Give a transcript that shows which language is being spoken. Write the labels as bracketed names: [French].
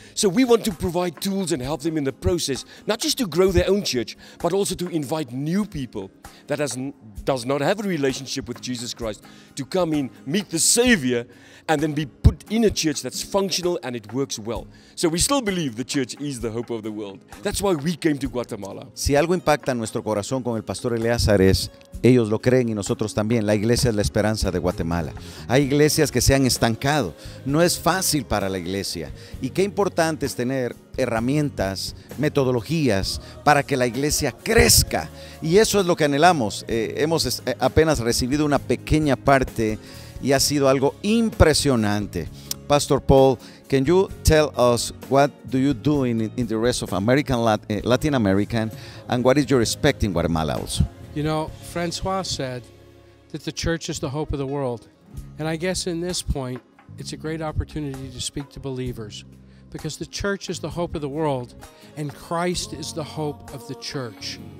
[English] So we want to provide tools and help them in the process, not just to grow their own church, but also to invite new people that does not have a relationship with Jesus Christ to come in, meet the Savior, and then be put in a church that's functional and it works well. So we still believe the church is the hope of the world. That's why we came to Guatemala. [Spanish] Si algo impacta nuestro corazón con el pastor Eleazar es, ellos lo creen y nosotros también. La iglesia es la esperanza de Guatemala. Hay iglesias que se han estancado. No es fácil para la iglesia. Y qué importante es tener herramientas, metodologías para que la iglesia crezca. Y eso es lo que anhelamos. Hemos apenas recibido una pequeña parte y ha sido algo impresionante. [English] Pastor Paul, can you tell us what do you do in the rest of American Latin America and what is your expect in Guatemala also? You know, Francois said that the church is the hope of the world. And I guess in this point, it's a great opportunity to speak to believers because the church is the hope of the world and Christ is the hope of the church.